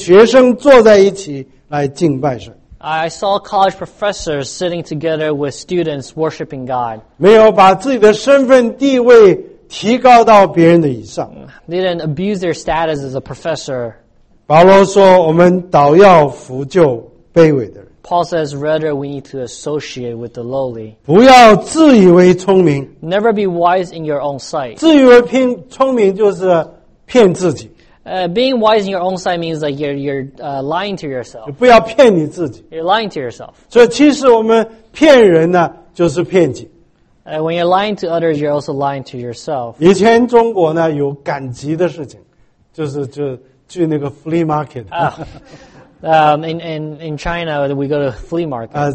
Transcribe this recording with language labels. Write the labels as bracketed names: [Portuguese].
[Chinese] 我看到大学教授跟学生坐在一起来敬拜神。 [English] I saw college professors sitting together with students worshiping God. [Chinese] 没有把自己的身份地位提高到别人的以上。 [English] Didn't abuse their status as a professor. [Chinese] 保罗说我们倒要扶救卑微的人。 [English] Paul says rather we need to associate with the lowly. [Chinese] 不要自以为聪明。 [English] Never be wise in your own sight. [Chinese] 自以为聪明就是骗自己。 [English] Being wise in your own sight means like you're lying to yourself. [Chinese] 不要骗你自己。 [English] You're lying to yourself. [Chinese] 所以其实我们骗人呢, 就是骗己。 [English] When you're lying to others, you're also lying to yourself. [Chinese] 以前中国呢, 有赶集的事情, 就去那个 flea market. [English] In China, we go to flea market.